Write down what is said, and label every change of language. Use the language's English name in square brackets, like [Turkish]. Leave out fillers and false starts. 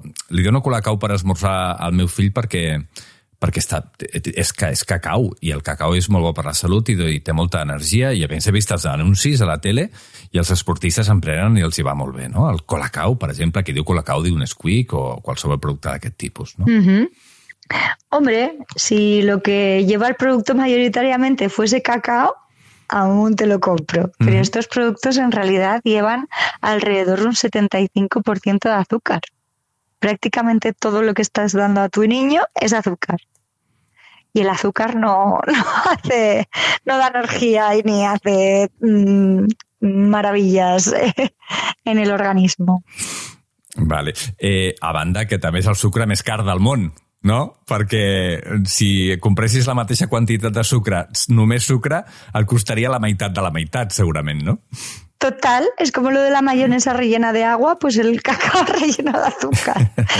[Catalan] Li dono Colacau per esmorzar al meu fill perquè... perquè està, és cacau, i el cacau és molt bo per la salut i té molta energia, i a més he vist els anuncis a la tele i els esportistes en prenen i els hi va molt bé, no? El Colacau, per exemple, qui diu Colacau diu Nesquik o qualsevol producte d'aquest tipus, no? Mm-hmm. [Spanish] Hombre, si lo que lleva el producto mayoritariamente fuese cacao, aún te lo compro. Mm-hmm. Pero estos productos en realidad llevan alrededor de un 75% de azúcar. Prácticamente todo lo que estás dando a tu niño es azúcar. Y el azúcar no da energía y ni hace maravillas en el organismo. Vale. [Catalan] A banda, que també és el sucre més car del món, no? Perquè si compressis la mateixa quantitat de sucre, només sucre, et costaria la meitat, segurament, no? [Spanish] Total, es como lo de la mayonesa rellena de agua, pues el cacao relleno de azúcar.